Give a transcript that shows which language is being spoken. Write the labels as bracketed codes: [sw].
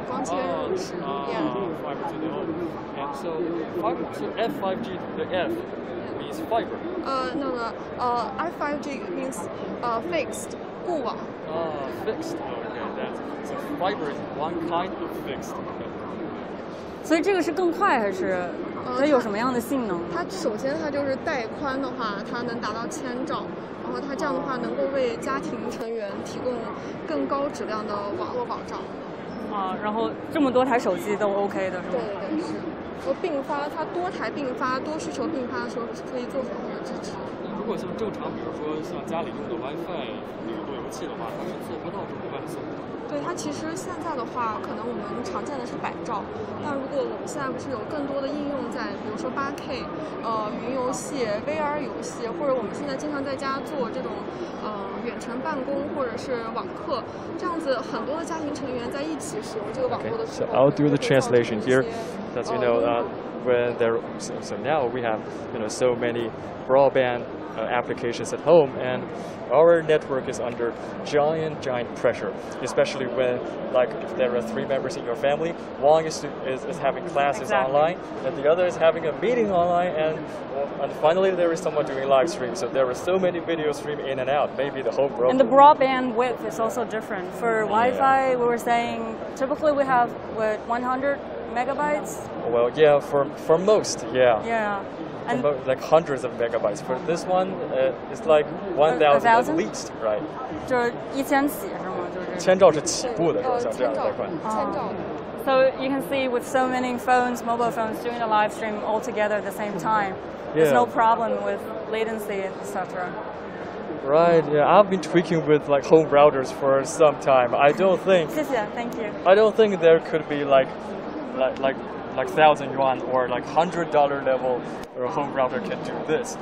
[en] Fiber to the home. And so, F5G, the F means fiber. F5G means fixed. Fixed. Okay, that's so fiber is one kind of fixed. Okay. [zh] 所以这个是更快还是它有什么样的性能它首先它就是带宽的话它能达到千兆然后它这样的话能够为家庭成员提供更高质量的网络保障啊，然后这么多台手机都 OK 的是吗对是我并发它多台并发多需求并发的时候是可以做很多的支持如果像正常比如说像家里用的 WiFi 那个路由器的话它是做不到这么快速对它其实现在的话可能我们常见的是百兆但如果我们现在不是有更多的应用在比如说 8K 云游戏 VR 游戏或者我们现在经常在家做这种远程办公或者是网课这样子很多的家庭成员在一起使用这个网络的时候 [en] okay, So I'll do the translation here as you know when there so now we have you know so many broadband applications at home andOur network is under giant pressure, especially when, like, if there are three members in your family, one is having classes exactly. online, and the other is having a meeting online, and finally there is someone doing live stream. So there are so many video stream in and out, maybe the whole broadband. And the broadband width is also different. For Wi-Fi, we were saying, typically we have, 100 megabytes? Well, yeah, for most, yeah. Yeah. And like hundreds of megabytes. For this one, it's like 1,000 at least, right? [zh] 就一千起是吗？就是千兆是起步的，像这样的款。 [en] So you can see with so many phones, mobile phones doing a live stream all together at the same time, there's no problem with latency, etc. Right, yeah, I've been tweaking with like home routers for some time. I don't think. [zh] 谢谢 [en] thank you. I don't think there could be like 1,000 yuan or like $100 level or a home router can do this.